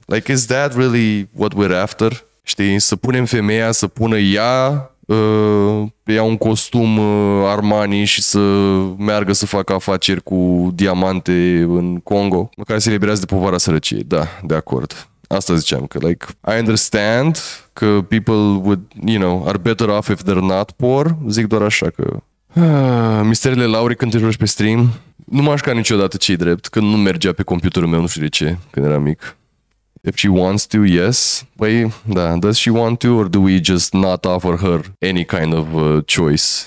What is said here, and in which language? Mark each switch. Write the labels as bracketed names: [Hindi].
[English] Like, is that really what we're after? [Romanian] Știi, să punem femeia, să pună ea, ia un costum Armani și să meargă să facă afaceri cu diamante în Congo, măcar să se eliberează de povara sărăciei, da, de acord. Asta ziceam, [English] că like, I understand că people would, you know, are better off if they're not poor. [Romanian] Zic doar așa că... Misterele Laurii când te joci pe stream, nu m-aș ca niciodată ce-i drept, că nu mergea pe computerul meu, nu știu de ce, când eram mic. [English] If she wants to, yes. [Romanian] Păi, da, [English] does she want to or do we just not offer her any kind of choice?